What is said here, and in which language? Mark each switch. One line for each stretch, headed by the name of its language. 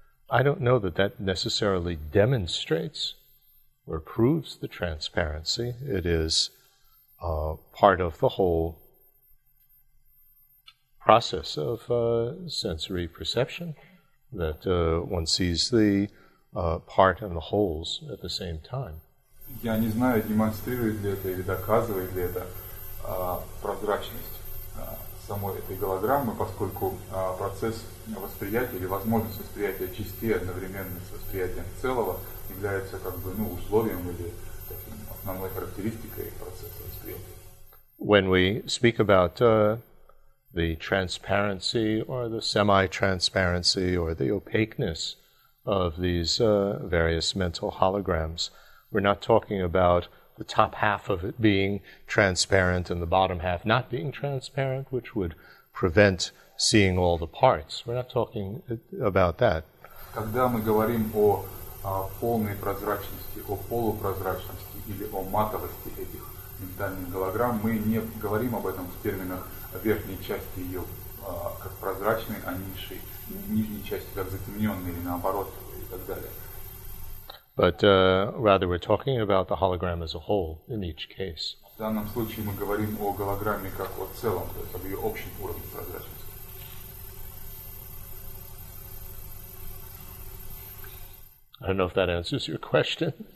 English: I don't know that that necessarily demonstrates or proves the transparency. It is part of the whole process of sensory perception, that one sees the part and the wholes at the same time.
Russian: Я не знаю, демонстрирует ли это или доказывает ли это прозрачность самой этой голограммы, поскольку процесс восприятия или возможность восприятия частей одновременно с восприятием целого является как бы условием или основной характеристикой процесса восприятия.
English: When we speak about the transparency or the semi-transparency or the opaqueness of these various mental holograms, we're not talking about the top half of it being transparent and the bottom half not being transparent, which would prevent seeing all the parts. We're not talking about that.
Russian: Когда мы говорим о полной прозрачности, о полупрозрачности или о матовости этих ментальных голограмм, мы не говорим об этом в терминах верхней части ее как прозрачной, а нижней части как затемненной или наоборот и так далее.
English: But rather we're talking about the hologram as a whole in each case.
Russian: В данном случае мы говорим о голограмме как о целом, то есть об ее общем уровне прозрачности.
English: I don't know if that answers your question.